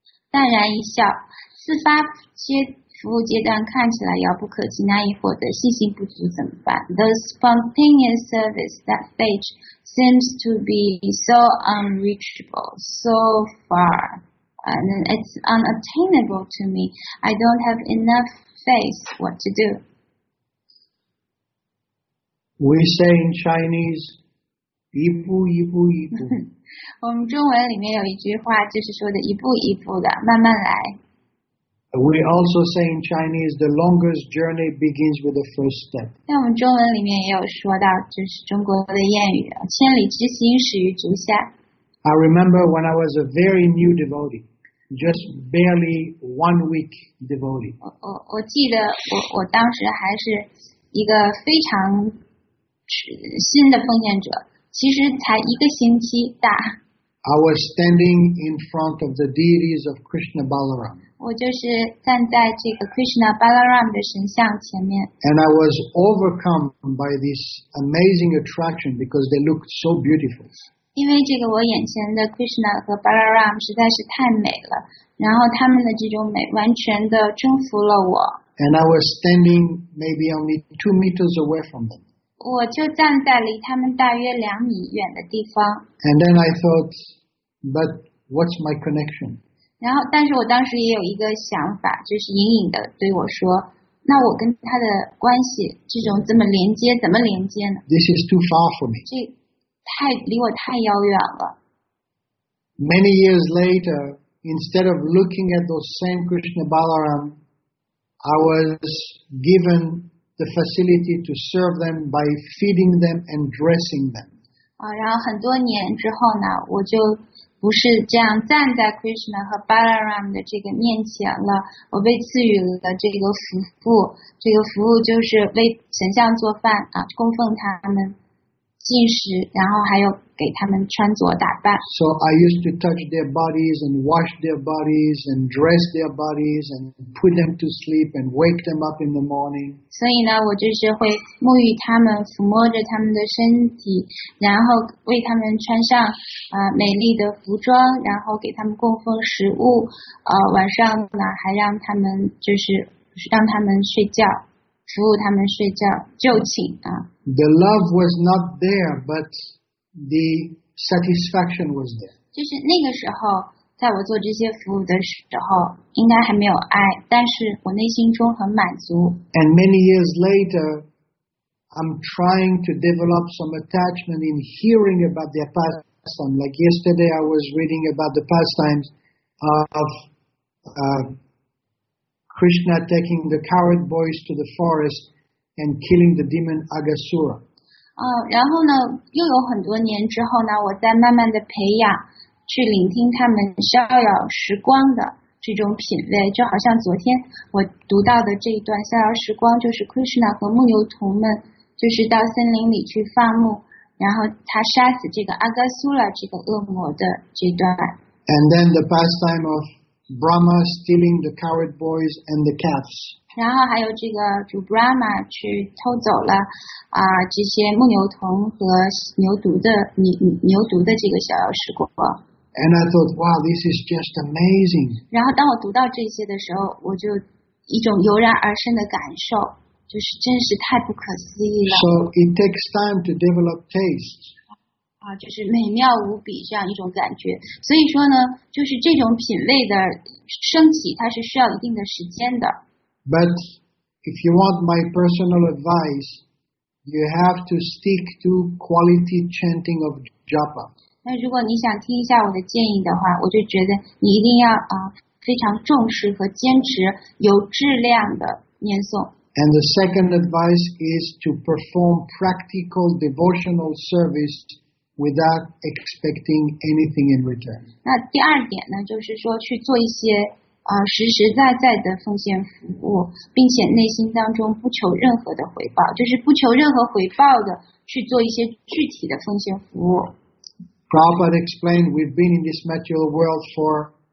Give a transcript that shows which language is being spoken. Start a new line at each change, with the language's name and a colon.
Chinese: 淡然一笑，自发阶服务阶段看起来遥不可及，那以后的信心不足怎么办
English: ？The spontaneous service that stage seems to be so unreachable, so far, and it's unattainable to me. I don't have enough faith. What to do? We say in Chinese,
Chinese: 一步一步一步。我们中文里面有一句话，就是说的一步一步的，慢慢来。
English: We also say in Chinese, the longest journey begins with the first step.
Chinese: 在我们中文里面也有说到，这是中国的谚语，千里之行始于足下。
English: I remember when I was a very new devotee, just barely 1 week devotee.
Chinese: 我记得我当时还是一个非常新的奉献者。其实才一个星期大。
English: I was standing in front of the deities of Krishna Balaram.
Chinese: 我就是站在这个 Krishna Balaram 的神像前面。
English: And I was overcome by this amazing attraction because they looked so beautiful.
Chinese: 因为这个我眼前的 Krishna 和 Balaram 实在是太美了，然后他们的这种美完全的征服了我。
English: And I was standing maybe only 2 meters away from them.
Chinese: 我就站在离他们大约两米远的地方。
English: And then I thought, but what's my connection?
Chinese: 然后，但是我当时也有一个想法，就是隐隐的对我说，那我跟他的关系，这种怎么连接呢？
English: This is too far for me.
Chinese: 这太离我太遥远了。
English: Many years later, instead of looking at those same Krishna Balaram, I was given. The facility to serve them by feeding them and dressing them.
Chinese: 然后很多年之后呢，我就不是这样站在 Krishna 和 Balaram 的这个面前了。我被赐予了这个服务，这个服务就是为神像做饭啊，供奉他们进食，然后还有给他们穿着打扮。
English: So I used to touch their bodies and wash their bodies and dress their bodies and put them to sleep and wake them up in the morning.
Chinese: 所以呢，我就是会沐浴他们，抚摸着他们的身体，然后为他们穿上美丽的服装，然后给他们供奉食物，晚上呢还让他们让他们睡觉。服务他们睡觉就寝啊。
English: The love was not there, but the satisfaction was there.
Chinese: 就是那个时候，在我做这些服务的时候，应该还没有爱，但是我内心中很满足。
English: And many years later, I'm trying to develop some attachment in hearing about their pastime. Like yesterday, I was reading about the pastimes of. Krishna taking the coward boys to the forest and killing the demon Agasura.
Chinese: 然后呢，又有很多年之后呢，我在慢慢的培养，去聆听他们逍遥时光的这种品味，就好像昨天我读到的这一段逍遥时光，就是 Krishna 和牧牛童们，就是到森林里去放牧，然后他杀死这个 Agasura 这个恶魔的这段。
English: And then the pastime of. Brahma stealing the coward boys and the cats.
Chinese: 然后还有这个主 Brahma 去偷走了这些牧牛童和牛犊的这个逍遥时光。
English: And I thought, wow, this is just amazing.
Chinese: 然后当我读到这些的时候，我就一种油然而生的感受，就是真是太不可思议了。
English: So it takes time to develop taste.
Chinese: 啊，就是美妙无比这样一种感觉。所以说呢，就是这种品味的升起，它是需要一定的时间的。
English: But if you want my personal advice, you have to stick to quality chanting of japa.
Chinese: 那如果你想听一下我的建议的话，我就觉得你一定要啊。非常重视和坚持有质量的念诵。
English: And the second advice is to perform practical devotional service without expecting anything in return.
Chinese: 那第二点呢，就是说去做一些实实在在的奉献服务，并且内心当中不求任何的回报，就是不求任何回报的去做一些具体的奉献服务。
English: Prabhupada explained, we've been in this material world for.